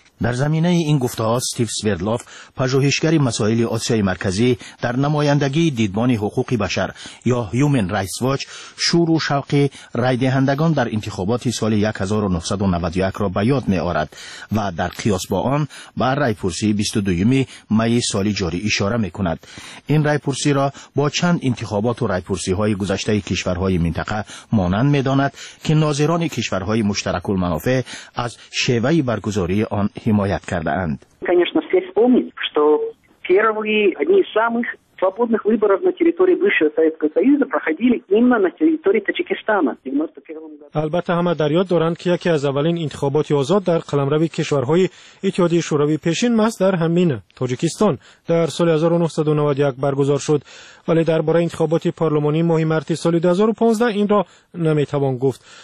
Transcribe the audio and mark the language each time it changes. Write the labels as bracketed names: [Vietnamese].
[Persian] در زمینه این گفته ها استیو سوردلوف، پژوهشگر مسائل آسیای مرکزی در نمایندگی دیدبان حقوق بشر یا Human Rights Watch، شور و شوق رای دهندگان در انتخابات سال 1991 را به یاد می آورد و در قیاس با آن به رای پرسی 22 می سال جاری اشاره می کند. این رای پرسی را با چند انتخابات و رای پرسی های گذشته کشورهای منطقه مانند می داند که ناظران کشورهای مشترک المنافع از شیوه برگزاری آن حمایت کرده اند. [Russian] Конечно, все вспомнить, что первые одни из самых свободных выборов на территории бывшего Советского Союза проходили именно на территории Таджикистана. [Persian] البته همه در یاد دارند که یکی از اولین انتخابات آزاد در قلمرو کشورهای اتحادیه شوروی پیشین ماست در همین تاجیکستان در سال 1991 برگزار شد، ولی درباره انتخابات پارلمانی ماه مارس سال 2015 این را نمیتوان گفت.